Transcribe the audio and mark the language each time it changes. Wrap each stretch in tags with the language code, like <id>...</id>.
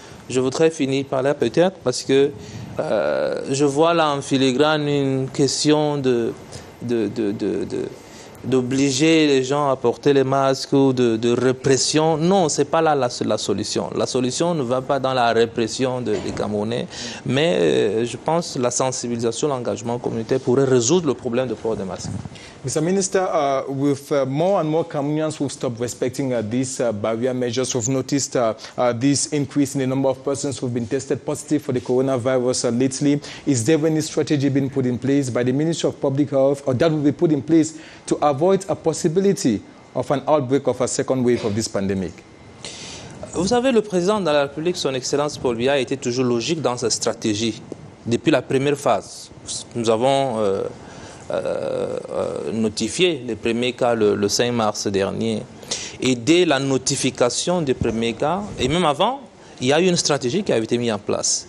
<fr>Je voudrais finir par là, peut-être, parce que je vois là en filigrane une question d'obliger les gens à porter les masques ou de répression. Non, ce n'est pas là la solution. La solution ne va pas dans la répression des Camerounais, mais je pense que la sensibilisation, l'engagement communautaire pourrait résoudre le problème de port des masques.</fr> <en>Mr. Minister, with more and more Cameroonians who've stopped respecting these barrier measures, we've noticed this increase in the number of persons who've been tested positive for the coronavirus lately. Is there any strategy being put in place by the Ministry of Public Health or that will be put in place to avoid a possibility of an outbreak of a second wave of this pandemic?</en> <fr>Vous savez, le président de la République, son Excellence Paul Biya, a été toujours logique dans sa stratégie depuis la première phase. Nous avons notifié les premiers cas le 5 mars dernier. Et dès la notification des premiers cas, et même avant, il y a eu une stratégie qui a été mise en place.</fr>